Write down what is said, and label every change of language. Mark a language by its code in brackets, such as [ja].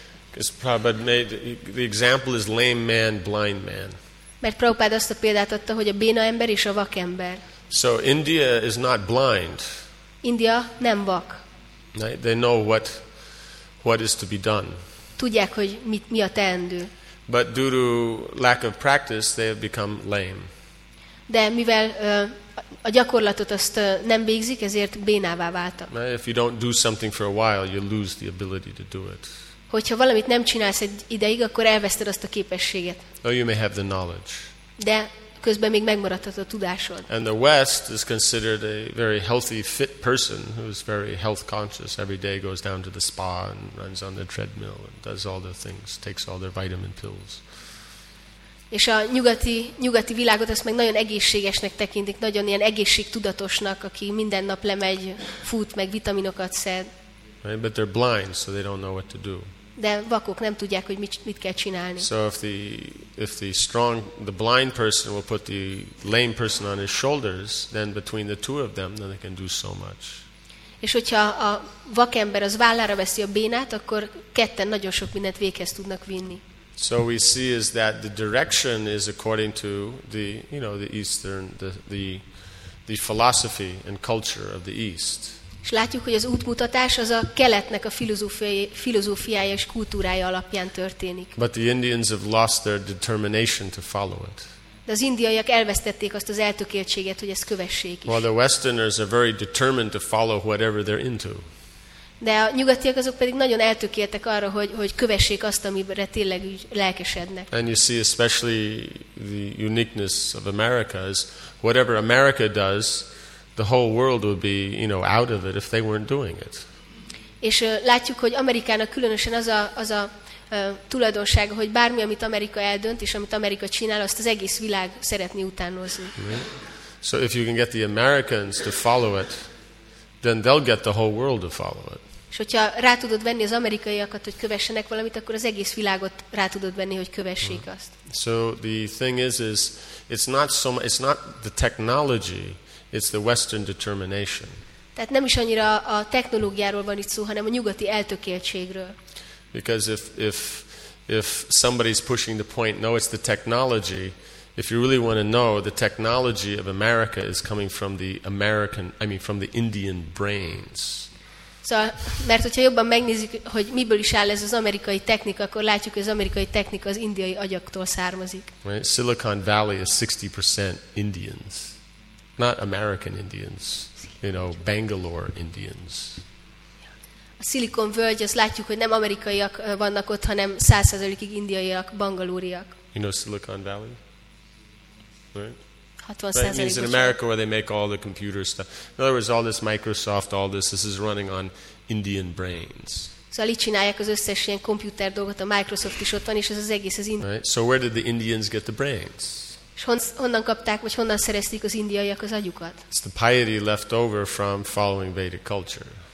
[en] Because Prabhupada made the example is lame man, blind man. [hu] Mert Prabhupada azt a példát adta, hogy a béna ember és a vak ember. [en] So India is not blind. [hu] India nem vak. [en] They know what is to be done. [hu] Tudják, hogy mi a teendő. [en] But due to lack of practice, they have become lame. [hu] De mivel a gyakorlatot azt nem végzik, ezért bénává váltak. [en] If you don't do something for a while, you lose the ability to do it. [hu] hogyha valamit nem csinálsz egy ideig, akkor elveszted azt a képességet. [en] Or you may have the knowledge. [hu] De közben még megmaradhat a tudásod. [en] And the West is considered a very healthy, fit person who is very health conscious. Every day goes down to the spa and runs on the treadmill and does all the things, takes all their vitamin pills. [hu] És a nyugati világot azt meg nagyon egészségesnek tekintik, nagyon ilyen egészségtudatosnak, aki minden nap lemegy, fut, meg vitaminokat szed. [en] Right, but they're blind, so they don't know what to do. [hu] De vakok nem tudják, hogy mit kell csinálni. [en] So if the strong, the blind person will put the lame person on his shoulders, then between the two of them, then they can do so much. [hu] És hogyha a vakember az vállára veszi a bénát, akkor ketten nagyon sok mindent véghez tudnak vinni. [en] So we see is that the direction is according to the, you know, the Eastern, the philosophy and culture of the East. [hu] És látjuk, hogy az útmutatás az a keletnek a filozófiája és kultúrája alapján történik. [en] But the Indians have lost their determination to follow it. [hu] De az indiaiak elvesztették azt az eltökéltséget, hogy ezt kövessék is. [en] Well, the Westerners are very determined to follow whatever they're into. [hu] De a nyugatiak azok pedig nagyon eltökéltek arra, hogy kövessék azt, amire tényleg lelkesednek. [en] And you see especially the uniqueness of America is whatever America does, the whole world would be, you know, out of it if they weren't doing it. [hu] És látjuk, hogy Amerikának különösen az a tulajdonsága, hogy bármi, amit Amerika eldönt és amit Amerika csinál, azt az egész világ szeretné utánozni. [en] Right. So if you can get the Americans to follow it, then they'll get the whole world to follow it. [hu] És hogyha rá tudod venni az amerikaiakat, hogy kövessenek valamit, akkor az egész világot rá tudod venni, hogy kövessék azt. [en] So the thing is it's not the technology, it's the Western determination. [hu] Tehát nem is annyira a technológiáról van itt szó, hanem a nyugati eltökéltségről. [en] Because if somebody's pushing the point, no, it's the technology. If you really want to know, the technology of America is coming from the Indian brains. [hu] So, mert hogyha jobban megnézzük, hogy miből is áll ez az amerikai technika, akkor látjuk, hogy az amerikai technika az indiai agyaktól származik. [en] Right? Silicon Valley is 60% Indians. Not American Indians, you know, Bangalore Indians. [hu] A Silicon Valley, azt látjuk, hogy nem amerikaiak vannak ott, hanem 100%-ig indiaiak, bangalóriak. [en] You know Silicon Valley? Right. Right. It means in America where they make all the computer stuff. In other words, all this Microsoft, all this is running on Indian brains. [hu] Szóval itt csinálják az összes ilyen komputer dolgot, a Microsoft is ott van, és ez az egész az [en] Indian. Right. So where did the Indians get the brains? [hu] És honnan kapták, vagy honnan szerezték az indiaiak az agyukat? [en] It's the piety left over from following Vedic culture.